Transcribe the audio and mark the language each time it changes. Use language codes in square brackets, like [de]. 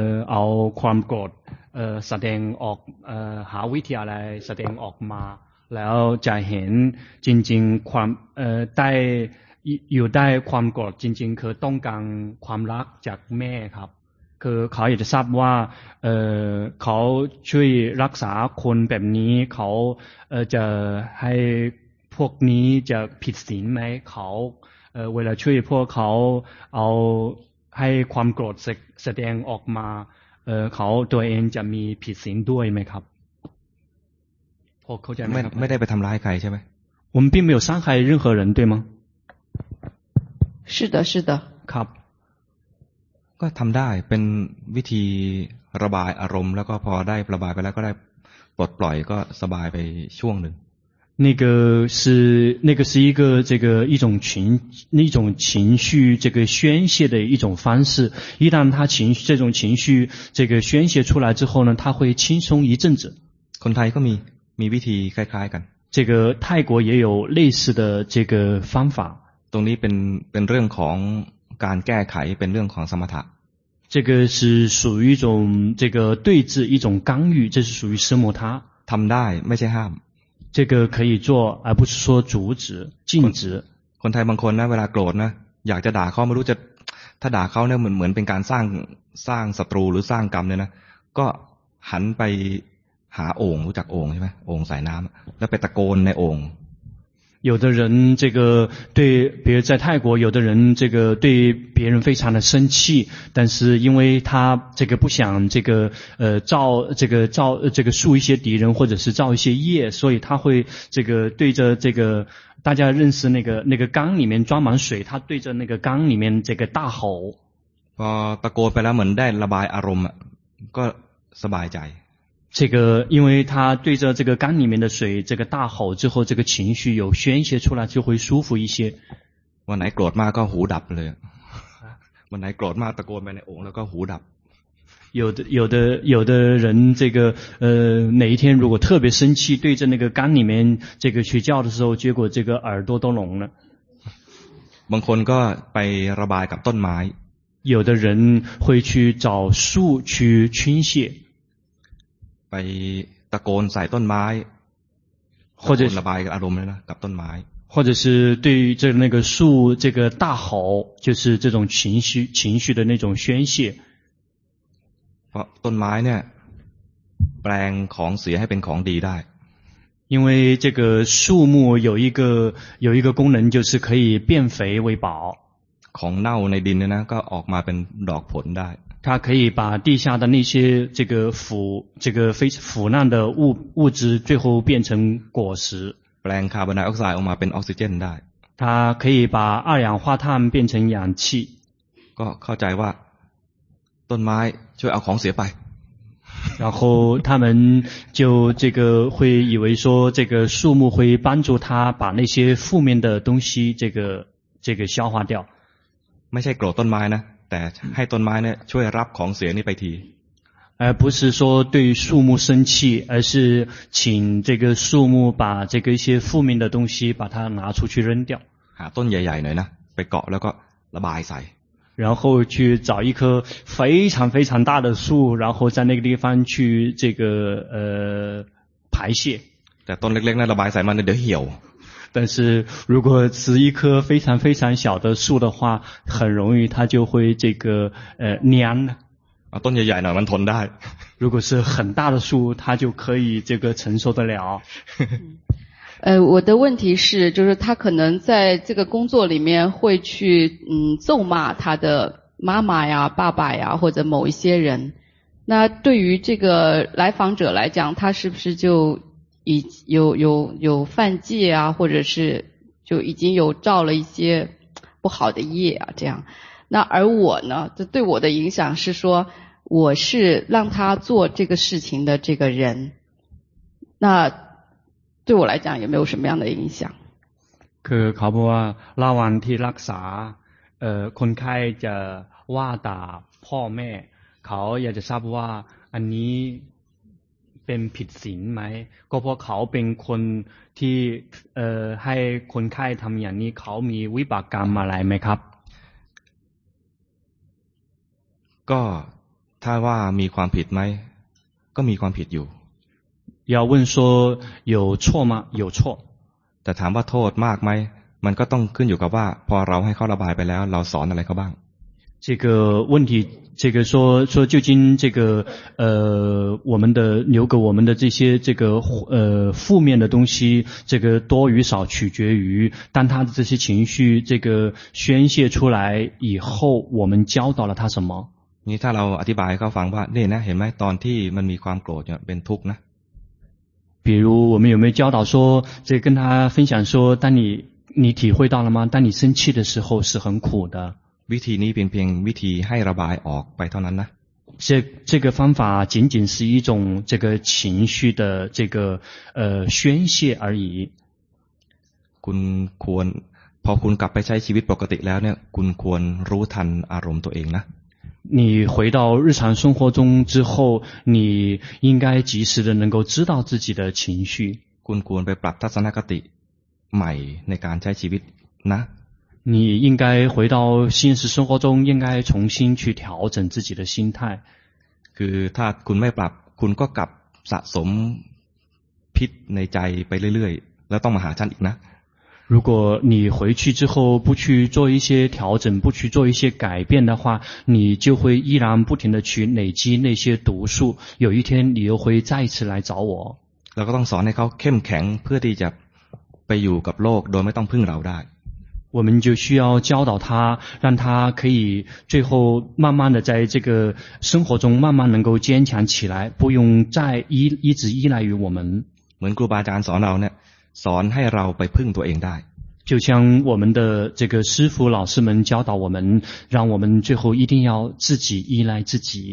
[th] เอาความโกรธแสดงออกหาวิธีอะไรแสดงออกมาแล้วจะเห็นจริงๆความได้อยู่ได้ความโกรธจริงๆคือต้องการความรักจากแม่ครับคือเขาอยากจะทราบว่าเขาช่วยรักษาคนแบบนี้เขาจะให้พวกนี้จะผิดศีลไหมเขา เวลาช่วยพวกเขาเอาให้ความโกรธแสดงออกมาเขาตัวเองจะมีผิดศีลด้วยไหมครับพวกเขาจะ ไม่ได้ไปทำร้ายใครใช่ไหม ผม [zh] 并没有伤害任何人对吗是的是的 [th] ครับ ก็ทำได้เป็นวิธีระบายอารมณ์แล้วก็พอได้ระบายไปแล้วก็ได้ปลดปล่อยก็สบายไปช่วงหนึ่ง [zh] 那个是一个这个一种情绪这个宣泄的一种方式一旦他情绪这种情绪这个宣泄出来之后呢他会轻松一阵子 [th] คนไทยก็มีวิธีคล้ายๆกัน [zh] 这个泰国也有类似的这个方法 [th] ตรงนี้เป็นเรื่องของการแก้ไขเป็นเรื่องของสมถะ [zh] 这个是属于一种这个对峙一种干预这是属于สมถะ [th] ทำได้ไม่ใช่ห้าม [zh] 这个可以做而不是说阻止禁止 [th] คนไทยบางคนนะเวลาโกรธนะอยากจะด่าเขาไม่รู้จะถ้าด่าเขาเนี่ยเหมือนเป็นการสร้างศัตรูหรือสร้างกรรมเนี่ยนะก็หันไปหาโอ่งรู้จักโอ่งใช่ไหมโอ่งใส่น้ำแล้วไปตะโกนในโอ่ง [zh] 有的人这个对比如在泰国有的人这个对别人非常的生气但是因为他这个不想这个造树一些敌人或者是造一些业所以他会这个对着这个大家认识那个缸里面装满水他对着那个缸里面这个大吼 [th] ตะโกนไปแล้วเหมือนได้ระบายอารมณ์ก็สบายใจ [zh] 这个因为他对着这个肝里面的水这个大吼之后，这个情绪有宣泄出来就会舒服一些。 [th] วันไหนโกรธมากก็หูดับเลยวันไหนโกรธมากตะโกนไปในองค์แล้วก็หูดับ [zh] 有的人这个哪一天如果特别生气对着那个肝里面这个去叫的时候，结果这个耳朵都聋了。 [th] บางคนก็ไประบายกับต้นไม้ [zh] 有的人会去找树去倾泻， [th] ไปตะโกนใส่ต้นไม้ [zh] 或者 [th] ระบายกับอารมณ์เลยนะกับต้นไม้ [zh] 或者是对于这那个树这个大吼，就是这种情绪的那种宣泄。 [th] ต้นไม้เนี่ยแปลงของเสียให้เป็นของดีได้。 [zh] 因为这个树木有一个功能，就是可以变肥为宝。 [th] ของเน่าในดินเนี่ยนะก็ออกมาเป็นดอกผลได้。 [zh] 它可以把地下的那些腐烂的物质最后变成果实。 [th] แปลงคาร์บอนไดออกไซด์ออกมาเป็นออกซิเจนได้ [zh] 它可以把二氧化碳变成氧气 [th] ก็เข้าใจว่าต้นไม้ช่วยเอาของเสียไป [zh] 然后他们就这个会以为说这个树木会帮助他把那些负面的东西这个消化掉 [th] ไม่ใช่โกรธต้นไม้นะแต่ให้ต้นไม้เนี่ยช่วยรับของเสียนี่ไปที [zh] 而不是说对树木生气，而是请这个树木把这个一些负面的东西把它拿出去扔掉。 [th] หาต้นใหญ่ๆหน่อยนะไปเกาะแล้วก็ระบายใส่。 [zh] 然后去找一棵非常非常大的树，然后在那个地方去这个排泄。 [th] แต่ต้นเล็กๆนะระบายใส่มันเดี๋ยวเหี่ยว。 [zh] 但是如果是一棵非常非常小的树的话，很容易它就会这个蔫了。 [th] 啊，ต้นใหญ่ๆหน่อยมันทนได้。 [zh] 如果是很大的树，它就可以这个承受得了。我的问题是，就是他可能在这个工作里面会去咒骂他的妈妈呀、爸爸呀，或者某一些人。那对于这个来访者来讲，他是不是就已有犯戒啊，或者是就已经有造了一些不好的业啊，这样？那而我呢，这对我的影响是说，我是让他做这个事情的这个人，那对我来讲有没有什么样的影响？ [th] คือเขาบอกว่าระหว่างที่รักษาคนไข้จะว่าด่าพ่อแม่เขาอยากจะทราบว่าอันนี้เป็นผิดศีลไหมก็เพราะเขาเป็นคนที่ให้คนไข้ทำอย่างนี้เขามีวิบากกรรมอะไรไหมครับ ก็ถ้าว่ามีความผิดไหมก็มีความผิดอยู่ [zh] 要问说有错吗有错 [th] แต่ถามว่าโทษมากไหมมันก็ต้องขึ้นอยู่กับว่าพอเราให้เขาระบายไปแล้วเราสอนอะไรเขาบ้าง [zh] 这个问题这个说究竟这个我们的留给我们的这些这个负面的东西这个多与少取决于当他的这些情绪这个宣泄出来以后我们教导了他什么 [th] นี่ถ้าเราอธิบายให้เขาฟังว่านี่นะเห็นไหมตอนที่มันมีความโกรธเนี่ยเป็นทุกข์นะ [zh] 比如我们有没有教导说这跟他分享说当你体会到了吗当你生气的时候是很苦的 [th] วิธีนี้เป็นเพียงวิธีให้ระบายออกไปเท่านั้นนะ [zh] 这个方法仅仅是一种这个情绪的这个宣泄而已 [th] คุณควรพอคุณกลับไปใช้ชีวิตปกติแล้วเนี่ยคุณควรรู้ทันอารมณ์ตัวเองนะ [zh] 你回到日常生活中之后你应该及时的能够知道自己的情绪你应该回到现实生活中应该重新去调整自己的心态 [th] คือถ้าคุณไม่ปรับคุณก็กลับสะสมพิษในใจไปเรื่อยๆแล้วต้องมาหาฉันอีกนะ [zh] 如果你回去之后不去做一些调整不去做一些改变的话你就会依然不停地去累积那些毒素有一天你又会再次来找我 [th] แล้วก็ต้องสอนให้เขาเข้มแข็งเพื่อที่จะไปอยู่กับโลกโดยไม่ต้องพึ่งเราได้ [zh] 我们就需要教导他让他可以最后慢慢地在这个生活中慢慢能够坚强起来不用再一直依赖于我们 [th] เหมือนครูบาอาจารย์สอนเราเนี่ยสอนให้เราไปพึ่งตัวเองได้ [zh] 就像我们的这个师父老师们教导我们让我们最后一定要自己依赖自己